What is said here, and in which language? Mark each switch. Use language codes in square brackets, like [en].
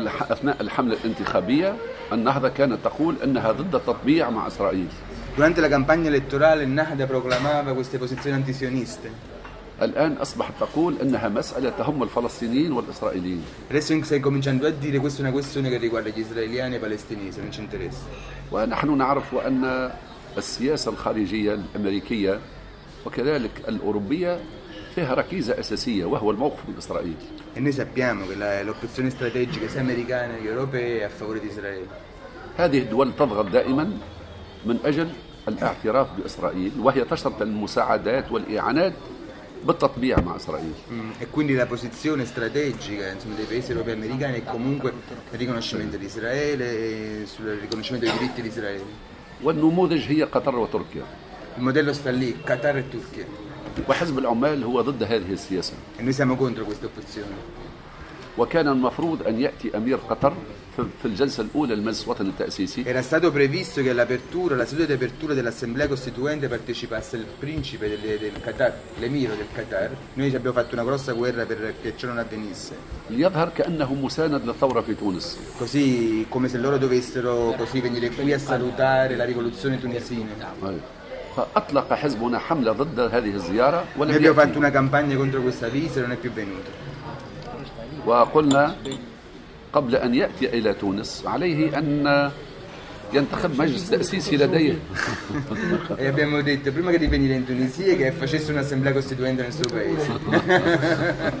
[ar] أثناء الحملة الانتخابية النهضة كانت تقول أنها ضد التطبيع مع إسرائيل. [it] Durante la campagna elettorale النهضة proclamava queste posizioni antisioniste. [ar] الآن أصبحت تقول أنها مسألة تهم الفلسطينيين والإسرائيليين. [it] Adesso stai cominciando a dire questa è una questione che riguarda gli israeliani e palestinesi, non ci interessa. [ar] ونحن نعرف أن السياسة الخارجية الأمريكية وكذلك الأوروبية فيها ركيزة أساسية وهو الموقف الإسرائيلي. [it] E noi sappiamo che l'opzione strategica sia americana che europea è a favore di Israele. [ar] هذه الدول تضغط دائما من أجل الاعتراف بإسرائيل وهي تشترط المساعدات والإعانات بالتطبيع مع إسرائيل. [it] E quindi la posizione strategica insomma dei paesi europei americani è comunque il riconoscimento di Israele e sul riconoscimento dei diritti di Israele. [ar] والنموذج هي قطر وتركيا. [it] Il modello sta lì, Qatar e Turchia. [ar] وحزب العمال هو ضد هذه السياسة. [it] E noi siamo contro questa opzione. [ar] وكان المفروض أن يأتي أمير قطر في الجلسة الأولى للمجلس الوطني التأسيسي. [it] Era stato previsto che l'apertura, la seduta di apertura dell'assemblea costituente partecipasse il principe del Qatar, l'emiro del Qatar. Noi abbiamo fatto una grossa guerra per che ciò non avvenisse. [ar] ليظهر كأنه مساند للثورة في تونس. [it] Così come se loro dovessero così venire qui a salutare la rivoluzione tunisina. [ar] فأطلق حزبنا حملة ضد هذه الزيارة. [it] Noi abbiamo fatto una campagna contro questa visita e non è più venuto. [ar] وقلنا قبل أن يأتي إلى تونس عليه أن ينتخب مجلس تأسيسي لديه. [it] E abbiamo detto prima che di venire in Tunisia che facesse un'assemblea costituente nel suo paese.